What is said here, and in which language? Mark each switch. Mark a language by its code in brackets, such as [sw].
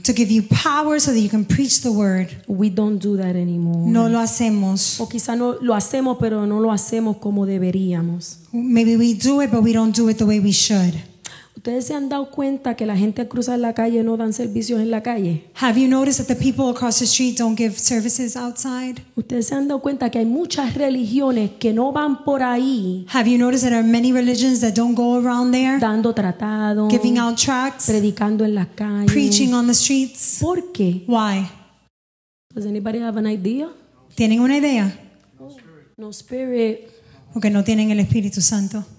[en] To give you power so that you can preach the word. We don't do that anymore. [es] No lo hacemos. O quizá no lo hacemos, pero no lo hacemos como deberíamos. [en] Maybe we do it, but we don't do it the way we should. [es] ¿Ustedes se han dado cuenta que la gente cruza la calle no dan servicios en la calle? [en] Have you noticed that the people across the street don't give services outside? [es] ¿Ustedes se han dado cuenta que hay muchas religiones que no van por ahí? [en] Have you noticed that there are many religions that don't go around there? [es] Dando tratados. [en] Giving out tracts. [es] Predicando en la calle. [en] Preaching on the streets. [es] ¿Por qué? [en] Why? Does anybody have an idea? [es] ¿Tienen una idea? [en] No spirit. [es] Porque no tienen el Espíritu Santo.